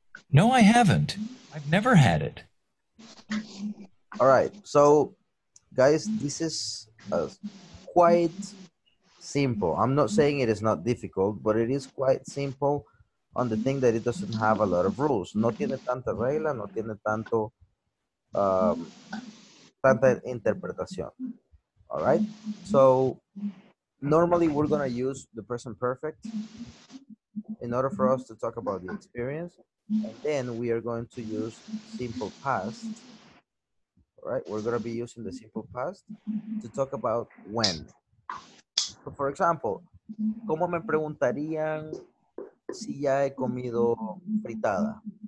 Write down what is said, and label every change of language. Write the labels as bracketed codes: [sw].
[en] No, I haven't. I've never had it. All right. So, guys, this is quite simple. I'm not saying it is not difficult, but it is quite simple. On the thing that it doesn't have a lot of rules. [es] No tiene tanta regla, no tiene tanto, tanta interpretación. [en] All right? So, normally we're gonna use the present perfect in order for us to talk about the experience. And then we are going to use simple past. All right? We're gonna be using the simple past to talk about when. So, for example, [es] ¿cómo me preguntarían si ya he comido fritada?